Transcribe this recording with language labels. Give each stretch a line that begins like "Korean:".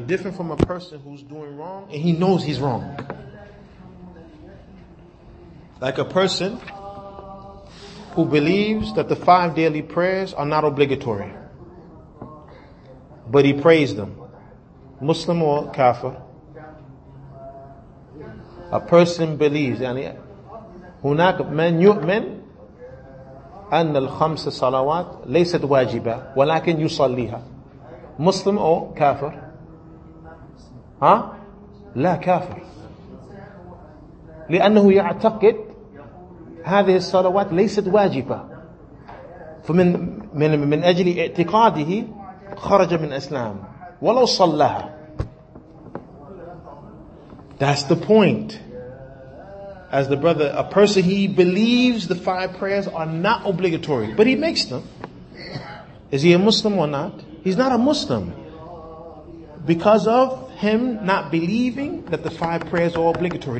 English: Different from a person who's doing wrong, and he knows he's wrong. Like a person who believes that the 5 daily prayers are not obligatory, but he prays them. Muslim or kafir? A person believes,
Arabic: هناك من يؤمن أن الخمس صلوات ليست واجبة ولكن يصليها.
English: Muslim or kafir? Huh?
Arabic: لا كافر. لأنه يعتقد هذه الصلوات ليست واجبة. فمن من من أجل اعتقاده خرج من الإسلام ولو صلىها.
English: That's the point. As the brother, a person, he believes the 5 prayers are not obligatory, but he makes them. Is he a Muslim or not? He's not a Muslim. Because of him not believing that the 5 prayers are obligatory.